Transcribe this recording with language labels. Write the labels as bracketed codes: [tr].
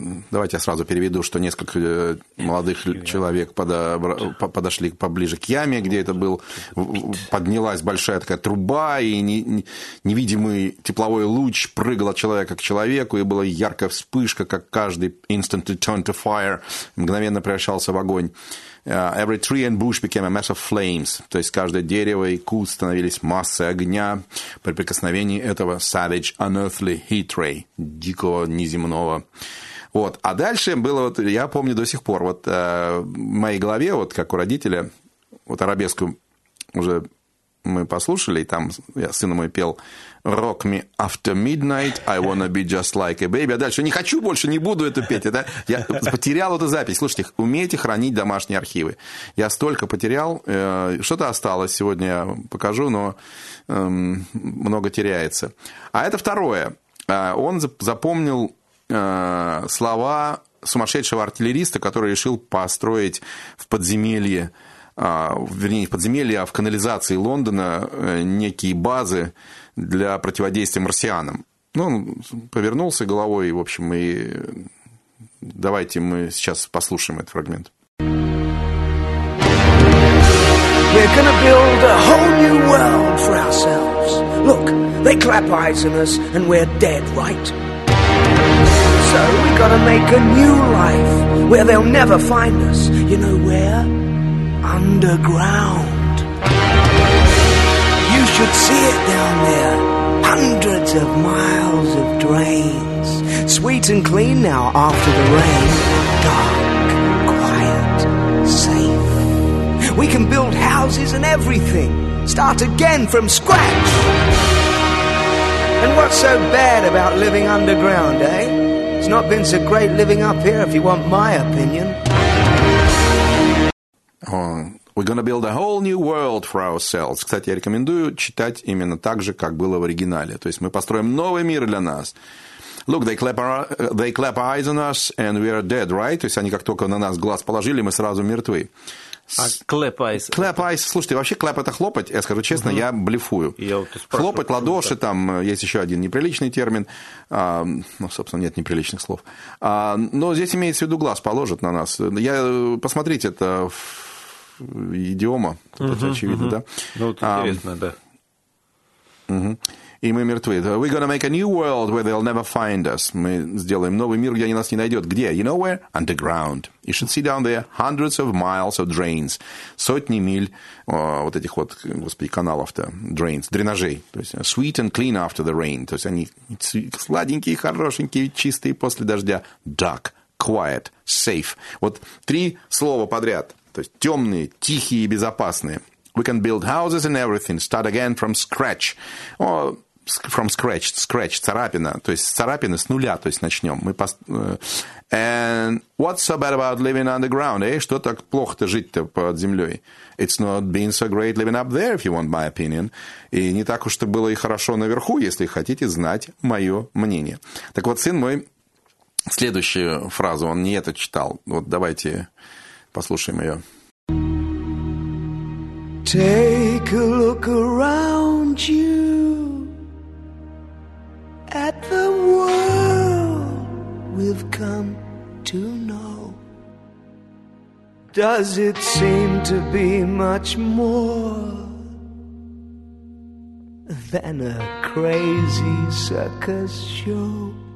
[ru] Давайте я сразу переведу, что несколько молодых человек подошли поближе к яме, где это был, поднялась большая такая труба, и невидимый тепловой луч прыгал от человека к человеку, и была яркая вспышка, как каждый [en] instantly turned to fire, [ru] мгновенно превращался в огонь. [en] Every tree and bush became a mass of flames. [ru] То есть каждое дерево и куст становились массой огня при прикосновении этого [en] savage, unearthly heat ray, [ru] дикого неземного. Вот. А дальше было, вот, я помню до сих пор, вот в моей голове, вот как у родителя, вот арабеску уже мы послушали, и там я сыну мой пел [en] «Rock me after midnight, I wanna be just like a baby», [ru] а дальше «Не хочу больше, не буду это петь». Это, я потерял эту запись. Слушайте, умейте хранить домашние архивы. Я столько потерял, что-то осталось, сегодня я покажу, но много теряется. А это второе. Он запомнил слова сумасшедшего артиллериста, который решил построить в подземелье, вернее, не в подземелье, а в канализации Лондона некие базы для противодействия марсианам. Ну, он повернулся головой, в общем, и давайте мы сейчас послушаем этот фрагмент. [en] We're gonna build a whole new world for ourselves. Look, they clap eyes on us, and we're dead, right? So we gotta make a new life where they'll never find us. You know where? Underground. You should see it down there. Hundreds of miles of drains. Sweet and clean now after the rain. Dark, quiet, safe. We can build houses and everything. Start again from scratch. And what's so bad about living underground, eh? It's not been so great living up here, if you want my opinion. We're gonna build a whole new world for ourselves. [ru] Кстати, я рекомендую читать именно так же, как было в оригинале. То есть мы построим новый мир для нас. [en] Look, they clap eyes on us, and we are dead, right? [ru] То есть они как только на нас глаз положили, мы сразу мертвы. [en] А clap eyes? Clap eyes. [ru] Слушайте, вообще clap – это хлопать. Я скажу честно, я блефую. Я вот спрашиваю, хлопать ладоши, так. Там есть еще один неприличный термин. Ну, собственно, нет неприличных слов. Но здесь имеется в виду глаз положат на нас. Я, посмотрите, это идиома. Это очевидно, да? Ну, вот интересно, да. И мы мертвы. We're gonna make a new world where they'll never find us. Мы сделаем новый мир, где они нас не найдут. Где? [en] You know where? Underground. You should see down there hundreds of miles of drains. [ru] Сотни миль вот этих вот, господи, каналов-то, drains, дренажей. То есть [en] sweet and clean after the rain. [ru] То есть они сладенькие, хорошенькие, чистые после дождя. [en] Dark, quiet, safe. [ru] Вот три слова подряд. То есть темные, тихие и безопасные. [en] We can build houses and everything. Start again from scratch. From scratch. Царапина. [ru] То есть царапина с нуля. То есть начнем. [en] And what's so bad about living underground? [ru] Что так плохо-то жить-то под землей? [en] It's not been so great living up there, if you want my opinion. [ru] И не так уж-то было и хорошо наверху, если хотите знать мое мнение. Так вот, сын мой, следующую фразу, он не это читал. Вот давайте послушаем ее. [en] Take a look around you at the world we've come to know. Does it seem to be much more than a crazy circus show?